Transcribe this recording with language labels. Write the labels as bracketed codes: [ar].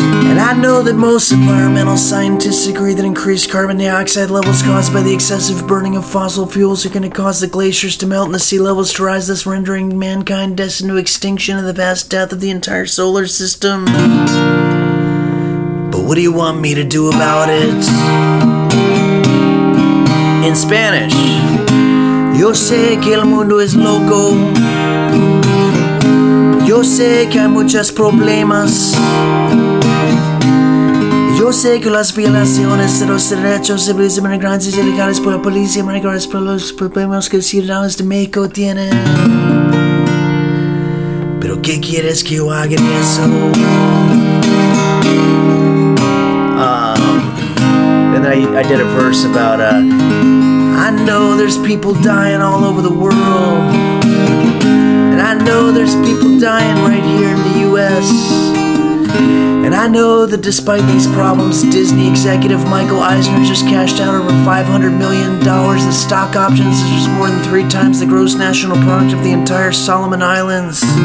[en] And I know that most environmental scientists agree that increased carbon dioxide levels caused by the excessive burning of fossil fuels are going to cause the glaciers to melt and the sea levels to rise, thus rendering mankind destined to extinction and the vast death of the entire solar system. But what do you want me to do about it? In Spanish. [es] Yo sé que el mundo es loco. Yo sé que hay muchos problemas. Yo sé que las violaciones de los derechos civiles de migrantes ilegales por la policía migrantes por los problemas que los ciudadanos de México tienen. ¿Pero qué quieres que yo haga en eso? [en] And then I did a verse about, I know there's people dying all over the world. And I know there's people dying right here in the U.S. And I know that despite these problems, Disney executive Michael Eisner just cashed out over $500 million in stock options, which is more than three times the gross national product of the entire Solomon Islands.